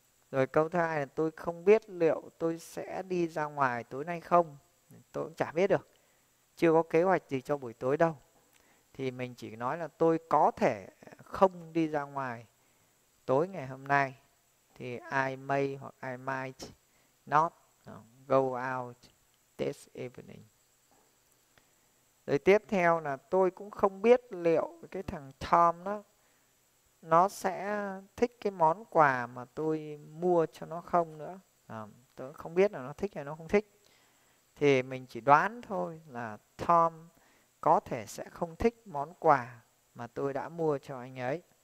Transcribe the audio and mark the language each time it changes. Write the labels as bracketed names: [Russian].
[Vietnamese] Rồi câu thứ hai là tôi không biết liệu tôi sẽ đi ra ngoài tối nay không. Tôi cũng chả biết được, chưa có kế hoạch gì cho buổi tối đâu. Thì mình chỉ nói là tôi có thể không đi ra ngoài tối ngày hôm nay. [English] Thì I may hoặc I might not go out this evening. [Vietnamese] Rồi tiếp theo là tôi cũng không biết liệu cái thằng Tom đó nó sẽ thích cái món quà mà tôi mua cho nó không nữa. Tôi không biết là nó thích hay nó không thích. Thì mình chỉ đoán thôi là Tom có thể sẽ không thích món quà mà tôi đã mua cho anh ấy.